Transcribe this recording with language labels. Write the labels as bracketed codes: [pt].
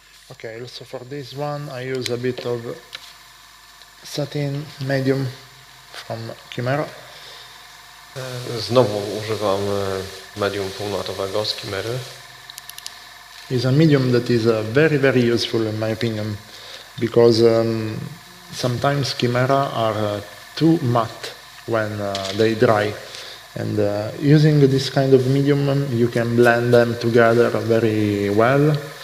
[en] Okay, so for this one I use a bit of satin medium from Chimera. [pl] Znowu używam medium półnatowego z Chimery. [en] It's a medium that is very, very useful in my opinion, because sometimes Chimera are too matte when they dry, and using this kind of medium you can blend them together very well.